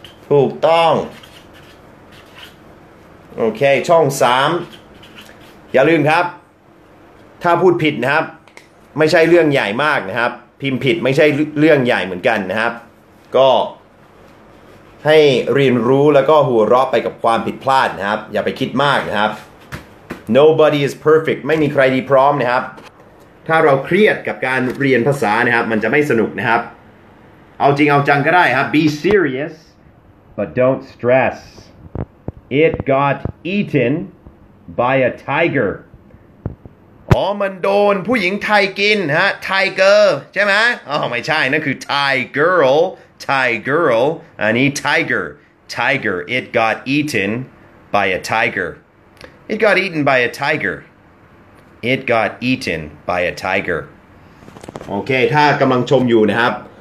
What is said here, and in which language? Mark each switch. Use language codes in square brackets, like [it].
[th] ถูกต้องโอเคช่อง3อย่าลืมครับถ้าพูดผิดนะครับไม่ใช่เรื่องใหญ่มากนะครับพิมพ์ผิดไม่ใช่เรื่องใหญ่เหมือนกันนะครับก็ให้เรียนรู้แล้วก็หัวเราะไปกับความผิดพลาดนะครับอย่าไปคิดมากนะครับ [en] Nobody is perfect [th] ไม่มีใครดีพร้อมนะครับถ้าเราเครียดกับการเรียนภาษานะครับมันจะไม่สนุกนะครับเอาจริงเอาจังก็ได้ครับ [en] Be serious but don't stress It got eaten by a tiger [th] อ๋อมันโดนผู้หญิงไทยกินฮะไทเกอร์ใช่ไหมอ๋อไม่ใช่นั่นคือ [en] Thai girl Thai girl [th] อันนี้ [en] tiger tiger it got eaten by a tiger it got eaten by a tiger it got eaten by a tiger [th] โอเคถ้ากำลังชมอยู่นะครับ